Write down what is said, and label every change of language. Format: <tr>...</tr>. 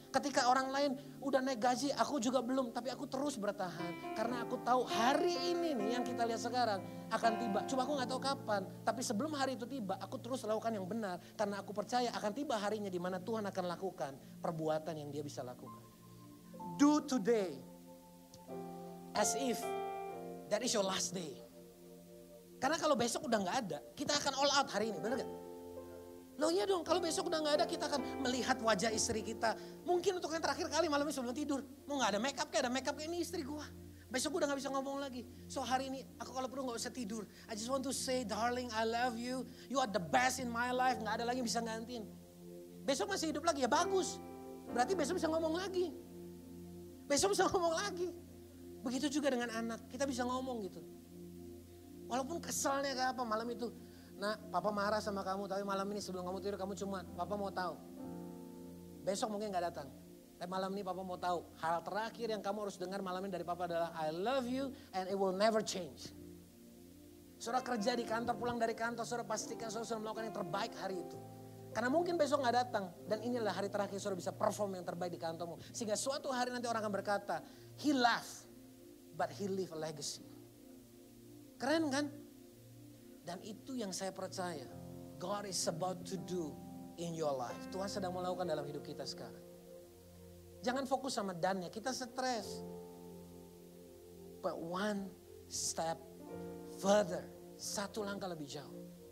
<id>Ketika orang lain udah naik gaji, aku juga belum. Tapi aku terus bertahan. Karena aku tahu hari ini nih yang kita lihat sekarang akan tiba. Cuma aku gak tahu kapan. Tapi sebelum hari itu tiba, aku terus lakukan yang benar. Karena aku percaya akan tiba harinya di mana Tuhan akan lakukan perbuatan yang dia bisa lakukan.</id> <en>Do today as if that is your last day.</en> <id>Karena kalau besok udah gak ada, kita akan</id> <en>all out</en> <id>hari ini, benar gak? Loh iya dong, kalau besok udah gak ada, kita akan melihat wajah istri kita. Mungkin untuk yang terakhir kali malam ini sebelum tidur. Mau gak ada makeup kayak ada makeup kayak ini istri gue. Besok gue udah gak bisa ngomong lagi. So hari ini aku kalau perlu gak usah tidur.</id> <en>I just want to say, darling, I love you. You are the best in my life.</en> <id>Gak ada lagi yang bisa ngantin. Besok masih hidup lagi, ya bagus. Berarti besok bisa ngomong lagi. Besok bisa ngomong lagi. Begitu juga dengan anak, kita bisa ngomong gitu. Walaupun keselnya kayak apa malam itu. Nah, papa marah sama kamu, tapi malam ini sebelum kamu tidur, kamu cuma, papa mau tahu. Besok mungkin gak datang. Tapi malam ini papa mau tahu. Hal terakhir yang kamu harus dengar malam ini dari papa adalah,</id> <en>I love you and it will never change.</en> <id>Saudara kerja di kantor, pulang dari kantor, saudara pastikan saudara melakukan yang terbaik hari itu. Karena mungkin besok gak datang. Dan inilah hari terakhir saudara bisa perform yang terbaik di kantormu. Sehingga suatu hari nanti orang akan berkata,</id> <en>he left, but he leave a legacy.</en> <id>Keren kan? Dan itu yang saya percaya.</id> <en>God is about to do in your life.</en> <id>Tuhan sedang melakukan dalam hidup kita sekarang. Jangan fokus sama dan-nya. Kita stres.</id> <en>But one step further.</en> <id>Satu langkah lebih jauh.</id>